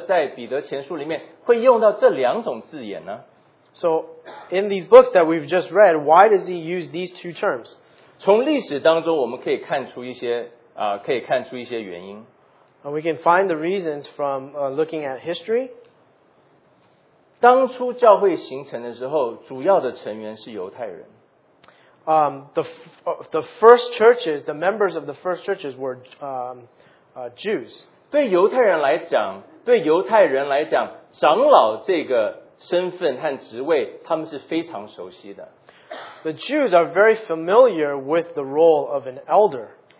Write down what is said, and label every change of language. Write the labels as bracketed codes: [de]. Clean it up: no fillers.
[zh] 为什么保罗在使徒行传,然后呢,并且在提多书,然后现在彼得在彼得前书里面会用到这两种字眼呢? [en] So in these books that we've just read, why does he use these two terms? [zh] 从历史当中我们可以看出一些原因。 [en] And we can find the reasons from looking at history. [zh] 当初教会形成的时候,主要的成员是犹太人。 [en] The first churches, the members of the first churches were Jews. [zh] 对犹太人来讲,长老这个 身份和职位,他们是非常熟悉的。 [en] The Jews are very familiar with the role of an elder.